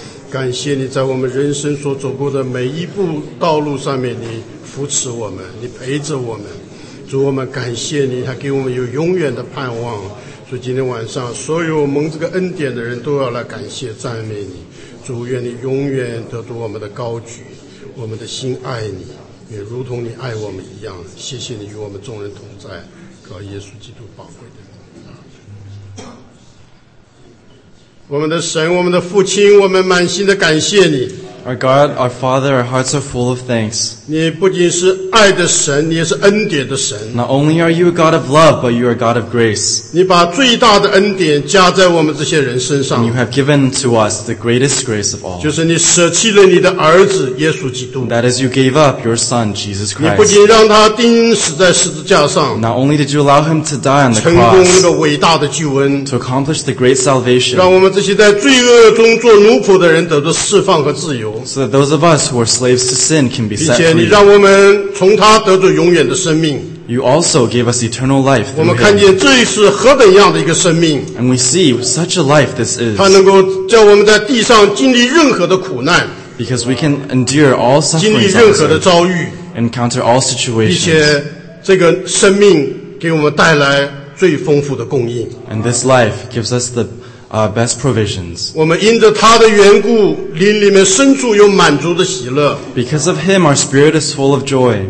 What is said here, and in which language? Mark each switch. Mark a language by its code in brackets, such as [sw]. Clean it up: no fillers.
[zh] 感谢你在我们人生所走过的每一步道路上面你扶持我们你陪着我们主我们感谢你他给我们有永远的盼望所以今天晚上所有蒙这个恩典的人都要来感谢赞美你主愿你永远得到我们的高举我们的心爱你也如同你爱我们一样谢谢你与我们众人同在靠耶稣基督宝贵的我们的神我们的父亲我们满心的感谢你 [en] Our God, our Father, our hearts are full of thanks. [zh] 你不仅是爱的神，你也是恩典的神。 [en] Not only are you a God of love, but you are a God of grace. [zh] 你把最大的恩典加在我们这些人身上。 [en] And you have given to us the greatest grace of all. [zh] 就是你舍弃了你的儿子耶稣基督。 [en] That is, you gave up your son, Jesus Christ. [zh] 你不仅让他钉死在十字架上。 [en] Not only did you allow him to die on the cross. [zh] 成功了伟大的救恩。 [en] To accomplish the great salvation. [zh] 让我们这些在罪恶中做奴仆的人得到释放和自由。 [en] So that those of us who are slaves to sin can be set free. [zh] 并且你让我们从他得到永远的生命。 [en] You also gave us eternal life. [zh] 我们看见这是何等样的一个生命。 [en] And we see such a life this is. [zh] 他能够叫我们在地上经历任何的苦难。 [en] Because we can endure all suffering. [zh] 经历任何的遭遇。 [en] Encounter all situations. [zh] 并且这个生命给我们带来最丰富的供应。 [en] And this life gives us the Our best provisions. [zh] 我们因着他的缘故，灵里面深处有满足的喜乐。 [en] Because of him, our spirit is full of joy.